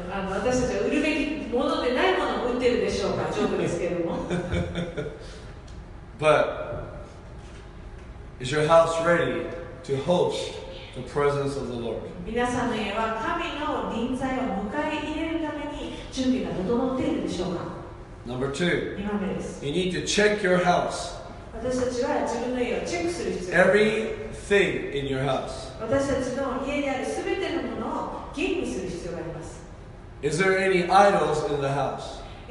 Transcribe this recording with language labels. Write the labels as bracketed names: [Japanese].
[Japanese] 私たちは売るべきものでないものを売ってるでしょうか、ジョークですけども。 [English] But is your house ready to host the presence of the Lord? [Japanese] 皆さんの家は神の臨在を迎え入れるために準備が整っているでしょうか。 [English] Number two. [Japanese] 二番目です。 [English] You need to check your house. [Japanese] 私たちは自分の家をチェックする必要があります [English] Every thing in your house. [Japanese] 私たちの家にあるすべてのものを吟味する必要があります。 [English] Is there any idols in the house?